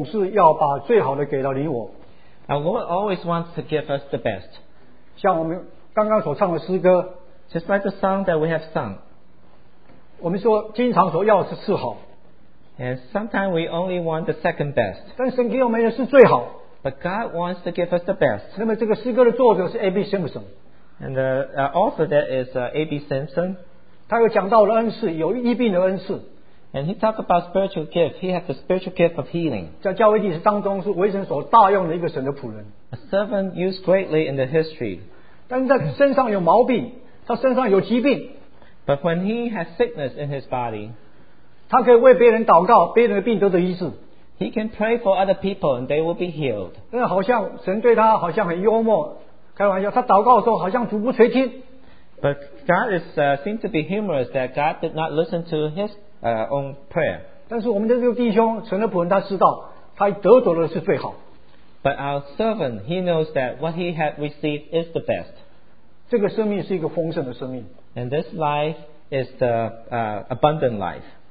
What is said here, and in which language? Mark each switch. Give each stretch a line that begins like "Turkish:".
Chinese: 我们的主总是要把最好的给到你我。
English: Our Lord always wants to give us the best.
Chinese: 像我们刚刚所唱的诗歌,
English: just like the song that we have sung.
Chinese: 我们说经常所要的是次好。
English: And sometimes we only want the second best.
Chinese: 但神给我们的是最好。
English: But God wants to give us the best.
Chinese: 那么这个诗歌的作者是 A.B.
English: Simpson。 And the author that is A.B. Simpson.
Chinese: 他有讲到了恩赐, 有医病的恩赐。
English: And he talked about spiritual gift. He had the spiritual gift of healing.
Chinese: 在教会历史当中是为神所大用的一个神的仆人。
English: A servant used greatly in the history.
Chinese: 但是他身上有毛病, 他身上有疾病。
English: But when he has sickness in his body,
Chinese: 他可以为别人祷告,
English: he can pray for other people and they will be healed.
Chinese: 好像神对他好像很幽默, 开玩笑, 他祷告的时候好像主不垂听。
English: But God is seemed to be humorous that God did not listen to his own prayer.
Chinese: 但是我们的这个弟兄, 神的仆人他知道, 他得着的是最好。
English: But our servant, he knows that what he had received is the best.
Chinese: 这个生命是一个丰盛的生命。
English: And this life is the abundant life.